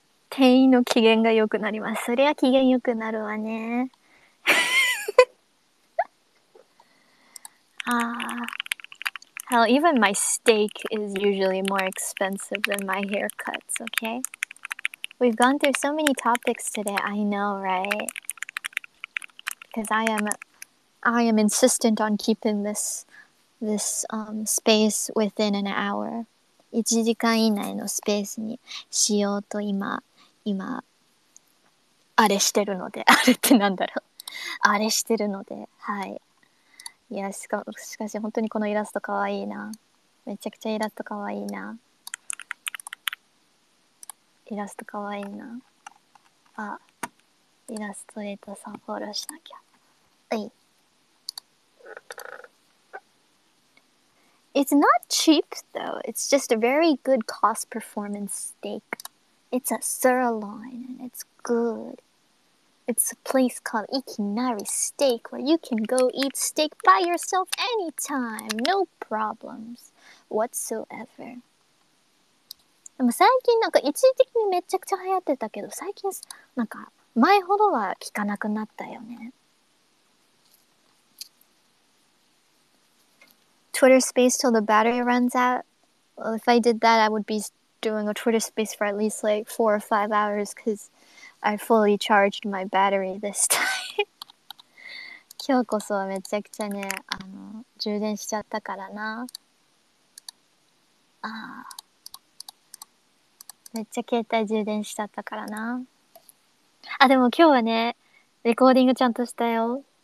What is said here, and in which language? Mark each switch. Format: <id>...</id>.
<ja>店員の機嫌が良くなります。それは機嫌良くなるわね。</ja> <en>Well, even my steak is usually more expensive than my haircuts, okay? We've gone through so many topics today, I know, right? Because I am insistent on keeping this space within an hour.</en> <ja>1時間以内のスペースにしようと今あれしてるので、あれってなんだろう、あれしてるので、はい。いや、しかし本当にこのイラストかわいいな。めちゃくちゃイラストかわいいな。イラストかわいいな。あ、イラストレートさんフォローしなきゃ。はい。</ja> <en>It's not cheap though. It's just a very good cost performance steak. It's a sirloin and it's good. It's a place called Ikinari Steak where you can go eat steak by yourself anytime. No problems whatsoever.</en> <ja>でも最近なんか一時的にめちゃくちゃ流行ってたけど、最近なんか前ほどは聞かなくなったよね。</ja> <en>Twitter space till the battery runs out. Well, if I did that, I would be doing a Twitter space for at least like 4 or 5 hours because I fully charged my battery this time.</en> <ja>今日こそめちゃくちゃね、充電しちゃったからな。あ、めっちゃ携帯充電しちゃったからな。あ、でも今日はね、レコーディングちゃんとしたよ。</ja>